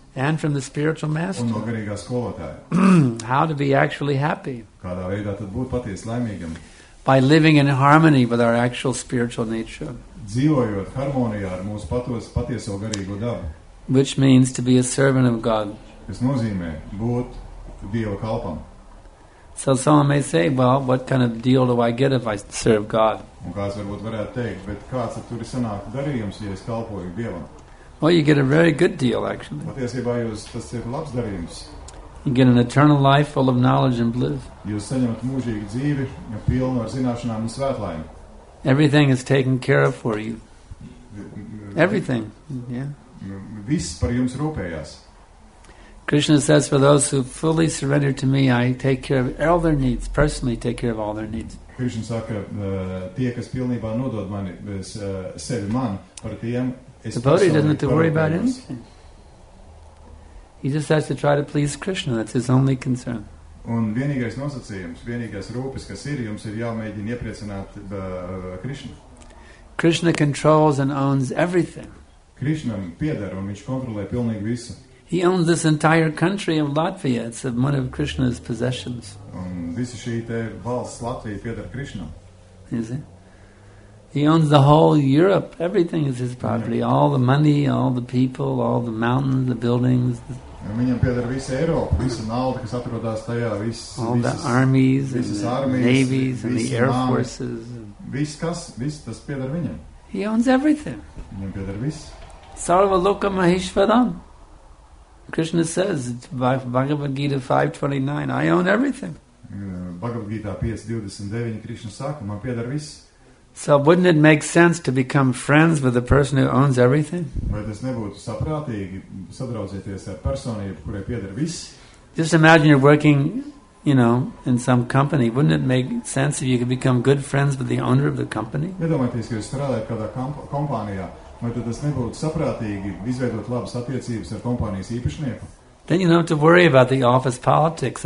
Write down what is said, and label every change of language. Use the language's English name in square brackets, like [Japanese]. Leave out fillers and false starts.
[English] And from the spiritual master. [Latvian] Un no garīgā skolotāja. [English] How to be actually happy. [Latvian] Kādā veidā tad būt patiesi laimīgam. [English] By living in harmony with our actual spiritual nature. [Latvian] Dzīvojot harmonijā ar mūsu patieso garīgo dabu. [English] Which means to be a servant of God. [Latvian] Tas nozīmē būt Dieva kalpam. [English] So someone may say, well, what kind of deal do I get if I serve God? [Latvian] Un kāds varbūt varētu teikt, bet kāds tur ir sanākt darījums, ja es kalpoju Dievam? [English] Well, you get a very good deal, actually. [Latvian] Patiesībā jūs, tas ir labs darījums. [English] You get an eternal life full of knowledge and bliss. [Latvian] Jūs saņemat mūžīgu dzīvi, ja pilnu ar zināšanām un svētlaimi. [English] Everything is taken care of for you. Everything, yeah. [Latvian] Viss par jums rūpējās. [English] Krishna says, for those who fully surrender to me, I take care of all their needs, personally take care of all their needs. [Latvian] Krishna saka, tie, kas pilnībā nodod mani, bez sevi man, par tiem, es [English] personally doesn't have to worry about anything. He just has to try to please Krishna, that's his only concern. [Latvian] Un vienīgais nosacījums, vienīgais rūpes, kas ir, jums ir jāmēģina iepriecināt Krishna. [English] Krishna controls and owns everything. [Latvian] Krishnam pieder, un viņš kontrolē pilnīgi visu. [English] He owns this entire country of Latvia. It's one of Krishna's possessions. [Latvian] Un visa šī te valsts Latvija pieder Krishnam. [English] Is it? He owns the whole Europe. Everything is his property. Yeah. All the money, all the people, all the mountains, the buildings. [Latvian] Viņam pieder visa Eiropa, visa nauda, kas atrodas tajā, [English] all the armies and the navies and the air forces. [Latvian] Viss, kas, viss tas pieder viņam. [English] He owns everything. [Latvian] Viņam pieder viss. [Sanskrit] Sarva Loka Maheshwaram. [English] Krishna says, Bhagavad Gita 5.29, I own everything. [Latvian] Bhagavad Gita 5.29, Krishna saka, man pieder viss. [English] So wouldn't it make sense to become friends with the person who owns everything? [Latvian] Vai tas nebūtu saprātīgi sadraudzēties ar personību, kurai pieder viss? [English] Just imagine you're working, you know, in some company. Wouldn't it make sense if you could become good friends with the owner of the company? [Latvian] Iedomājieties, ka jūs strādājat kādā kompānijā. Vai tad tas nebūtu saprātīgi izveidot labas attiecības ar kompānijas īpašnieku? [English] Then you don't have to worry about the office politics.